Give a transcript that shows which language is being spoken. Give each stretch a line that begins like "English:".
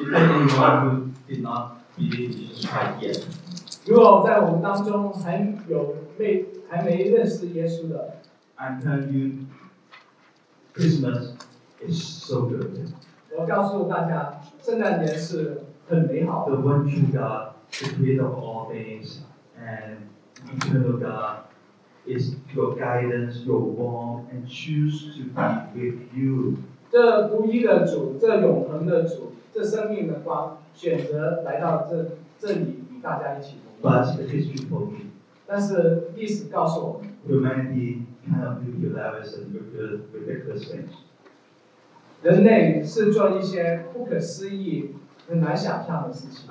English: If anyone did not believe Jesus Christ yet.
Chinese: 如果在我们当中还没认识耶稣的
English: ，I'm telling you, Christmas is so good.
Chinese: 我告诉大家，圣诞节是很美好的。
English: The one true God, the creator of all things, and eternal God, is your guidance, your warmth, and choose to be with you.
Chinese: 这独一的主，这永恒的主，这生命的光，选择来到这里与大家一起。
English: But the history told me.
Chinese: 但是历史告诉我们
English: humanity kind of do hilarious and ridiculous things.
Chinese: 人类是做一些不可思议、很难想象的事情。